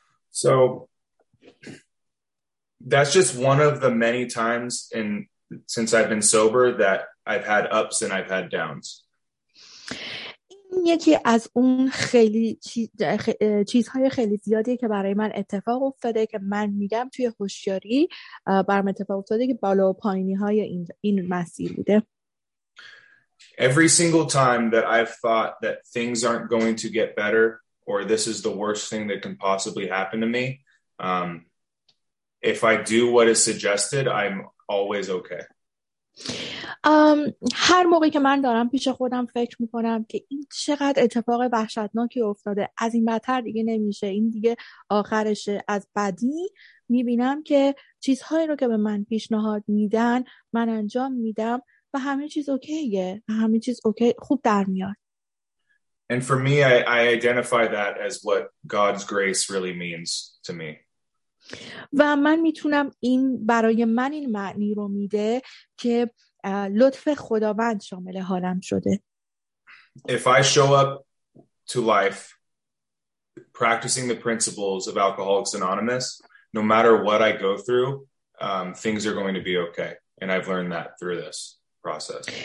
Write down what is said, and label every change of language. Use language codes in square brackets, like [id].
[en] So that's just one of the many times in since I've been sober that I've had ups and I've had downs. [fa] یکی از اون خیلی چیزهای خیلی زیادی که برای من اتفاق افتاده که من میگم توی هوشیاری برام اتفاق افتاده که بالا و پایینی های این مسیر بوده. [en] Every single time that I've thought that things aren't going to get better or this is the worst thing that can possibly happen to me, if I do what is suggested, I'm always okay. [fa] هر موقعی که من دارم پیش خودم فکر میکنم که این چقدر اتفاق وحشتناکی افتاده، از این بدتر دیگه نمیشه، این دیگه آخرشه، از بدی میبینم که چیزهایی رو که به من پیشنهاد میدن من انجام میدم و همه چیز اوکیه، همه چیز اوکی خوب در میاد. [en] And for me, I identify that as what God's grace really means to me. [fa] و من میتونم این برای من این معنی رو میده که لطف خداوند شامل حالم شده. [en] If I show up to life practicing the principles of Alcoholics Anonymous, no matter what I go through, things are going to be okay. And I've learned that through this process.